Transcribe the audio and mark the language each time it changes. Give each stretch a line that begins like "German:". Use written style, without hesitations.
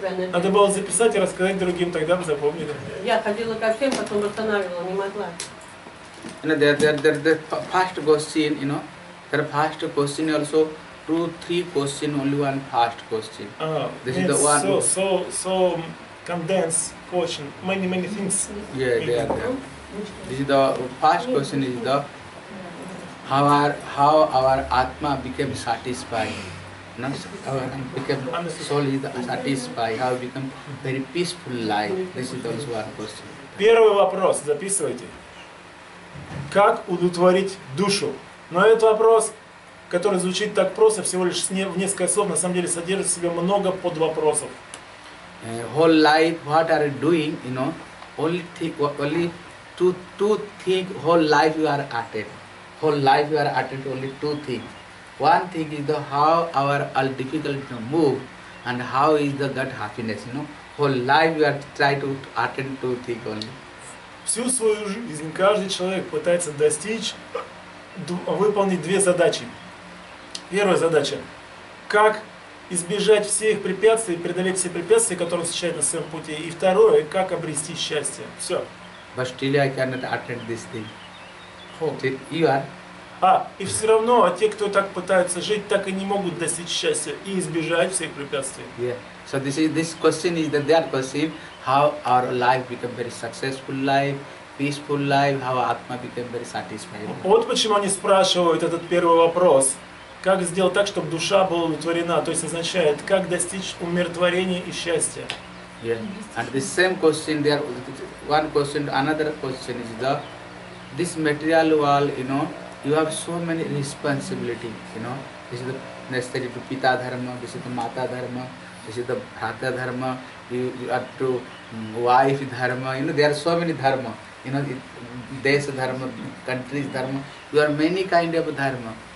Russian: Надо было записать и рассказать другим, тогда бы запомнили. Я ходила ко всем, потом восстанавливала, не могла.
English: The first question, you know, the first question also, two, three question, only one first question. This is the one. So condense question, many things. Yeah, they are there. This is the first question is the how our Atma became satisfied. No? Our soul is satisfied, how become very peaceful life. This is also one question.
Russian: Первый вопрос, записывайте. Как удовлетворить душу? Но этот вопрос, который звучит так просто, всего лишь в несколько слов, на самом деле содержит в себе много подвопросов.
English: Whole life, what are you doing, you know, only two things whole life you are attained. Whole life you are attained only two things. One thing is the how our all difficulty to move and how is the gut happiness, you know. Whole life you are trying to attain two things only.
Russian: Всю свою жизнь каждый человек пытается достичь, выполнить две задачи. Первая задача. Как избежать всех препятствий, преодолеть все препятствия, которые он встречает на своем пути. И второе, как обрести счастье. Все.
English: But still I cannot attend this thing. You are.
Russian: И все равно те, кто так пытаются жить, так и не могут достичь счастья и избежать всех препятствий.
English: Yeah. So this question is that question, how our life become very successful life, peaceful life, how Atma become very satisfied.
Russian: Вот почему они спрашивают этот первый вопрос. Как сделать так, чтобы душа была удовлетворена? То есть означает, как достичь умиротворения и счастья.
English: Yeah. And the same question there, one question, another question is the this material world, you know, you have so many responsibility, you know. This is the necessary to Pita Dharma, this is the Mata Dharma, this is the Bhata Dharma, you have to wife Dharma, you know, there are so many Dharma, you know, Desa Dharma, country's Dharma, you are many kind of Dharma.